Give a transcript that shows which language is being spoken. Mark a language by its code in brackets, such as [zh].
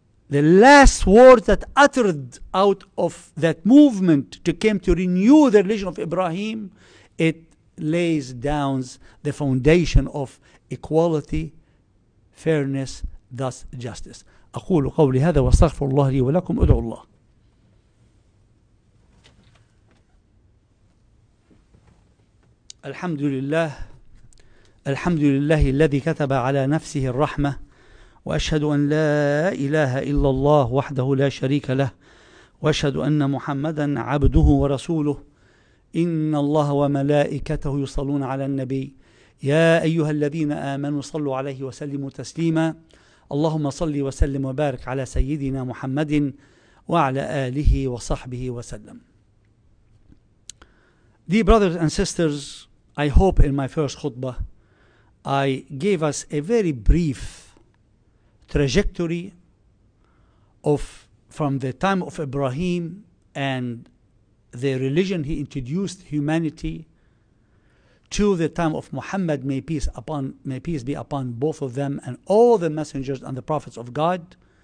[en] The last words that uttered out of that movement to came to renew the religion of Ibrahim, it lays down the foundation of equality, fairness, thus justice. [ar] أقول قولي هذا واستغفر الله لي ولكم أدعو الله. الحمد لله. الحمد لله الذي كتب على نفسه الرحمة وأشهد أن لا إله إلا الله وحده لا شريك له وأشهد أن محمدا عبده ورسوله إن الله وملائكته يصلون على النبي يا أيها الذين آمنوا صلوا عليه وسلموا تسليما اللهم صل وسلم وبارك على سيدنا محمد وعلى آله وصحبه وسلم. [en] Dear brothers and sisters, I hope in my first khutbah I gave us a very brief trajectory of from the time of Ibrahim and the religion he introduced humanity to the time of Muhammad, may peace be upon both of them and all the messengers and the prophets of God,